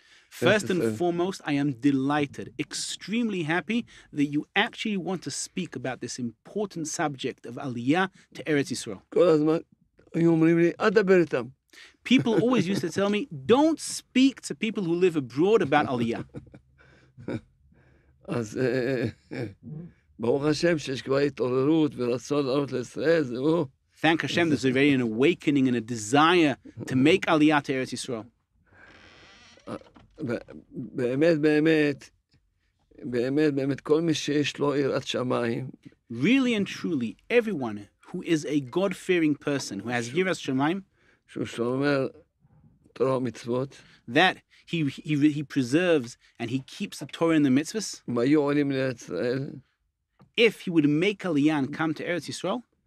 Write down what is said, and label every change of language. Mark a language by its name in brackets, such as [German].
[English] First and foremost, I am delighted, extremely happy that you actually want to speak about this important subject of Aliyah to Eretz Yisrael. People always used to tell me, don't speak to people who live abroad about Aliyah. [Hebrew] אז ברוך השם שיש כבר התעוררות ורצון לעלות לישראל, זהו. [English] Thank Hashem, there's already an awakening and a desire to make Aliyah to Eretz Yisrael. [Hebrew] באמת, באמת, באמת, באמת, כל מי שיש לו יראת שמיים. [English] Really and truly, everyone who is a God-fearing person, who has Yiras Shemaim, that he preserves and he keeps the Torah and the mitzvahs, if he would make Aliyah and come to Eretz Yisrael,